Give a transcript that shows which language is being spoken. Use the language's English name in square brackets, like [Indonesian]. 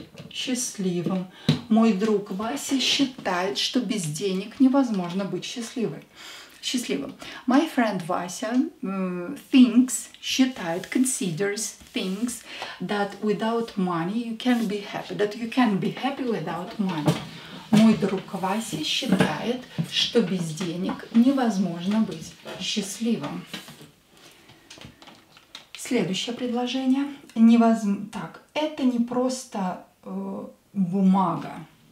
[Russian] Счастливым. Мой друг Вася считает, что без денег невозможно быть счастливым. [English] My friend Vasya considers that without money you can be happy, that you can be happy without money. [Russian] Мой друг Вася считает, что без денег невозможно быть счастливым. Следующее предложение. Так, это не просто бумага.